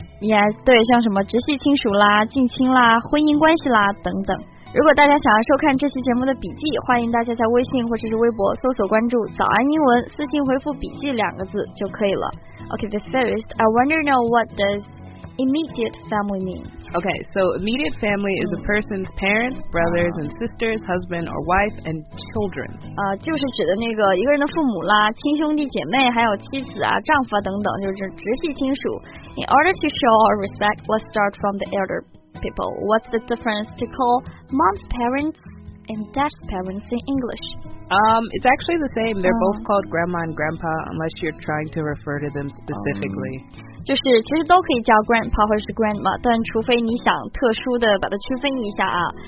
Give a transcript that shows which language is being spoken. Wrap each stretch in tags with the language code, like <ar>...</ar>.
<zh>Yes, 对，像什么直系亲属啦、近亲啦、婚姻关系啦等等。如果大家想要收看这期节目的笔记，欢迎大家在微信或者是微博搜索关注早安英文，私信回复笔记两个字就可以了。</zh> <en>Okay, the first, I wonder know what does immediate family mean? Okay, so immediate family is a person's parents, brothers and sisters, husband or wife and children.</en> <zh>就是指的那个一个人的父母啦、亲兄弟姐妹、还有妻子啊、丈夫啊等等，就是直系亲属。</zh> <en>In order to show our respect, let's start from the elder people. What's the difference to call mom's parents and dad's parents in English? It's actually the same. They're both called grandma and grandpa, unless you're trying to refer to them specifically.</en> <zh>就是其实都可以叫 grandpa 或是 grandma, 但除非你想特殊的把它区分一下啊。</zh>